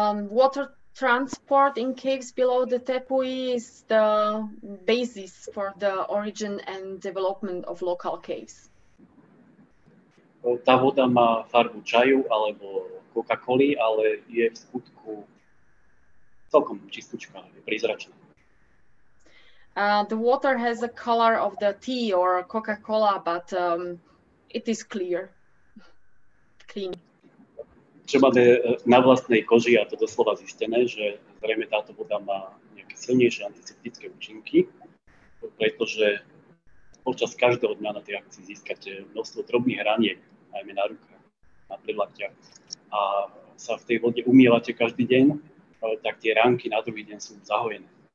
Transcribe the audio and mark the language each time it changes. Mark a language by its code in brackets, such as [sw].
[en] Water transport in caves below the Tepui is the basis for the origin and development of local caves. [sk] Tá voda má farbu čaju alebo Coca-Coly, ale je v skutku celkom čistúčka, je prizračná. [en] The water has a color of the tea or Coca-Cola, but it is clear, clean. [sk] Čo máme na vlastnej koži, a to doslova zistené, že zrejme táto voda má nejaké silnejšie antiseptické účinky, pretože počas každého dňa na tej akcii získate množstvo drobných raniek, najmä na rukách, na predlaktiach, a sa v tej vode umývate každý deň, tak tie ránky na druhý deň sú zahojené.